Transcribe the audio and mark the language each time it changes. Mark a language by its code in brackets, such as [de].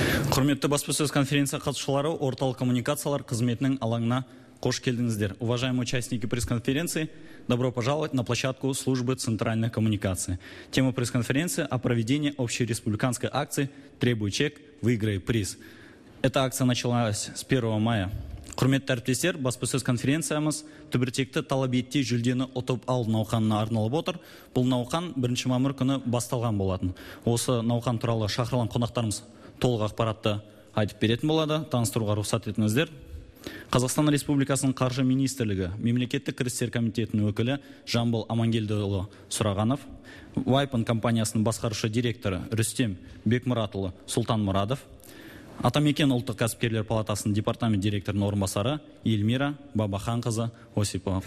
[kk] Құрметті баспасөз конференция қатысушылары, орталық коммуникациялар қызметінің алаңына қош келдіңіздер. [ru] Уважаемые участники пресс-конференции, добро пожаловать на площадку службы центральной коммуникации. Тема пресс-конференции о проведении общереспубликанской акции «Требуй чек, выиграй приз». Эта акция началась с 1 мая. [kk] Құрметті әріптестер, баспасөз конференциямыз түбіртекті талабетте жүлдені ұтып ал науқанына арналып отыр. Бұл науқан 1 мамыр күні басталған болатын. Осы науқан туралы шақырылған қонақтарымыз толық ақпаратты айтып беретін болады. Таныстыруға рұқсат етіңіздер. Қазақстан Республикасының қаржы министрлігі мемлекеттік кірістер комитетінің өкілі Жамбыл Амангелдіұлы Сұрағанов, Вайпен компаниясының басқарушы директоры Рүстем Бекмұратұлы Сұлтанмұрадов, Атамекен ұлттық кәсіпкерлер палатасының департамент директорының орынбасары Елмира Бабаханқызы Осипова.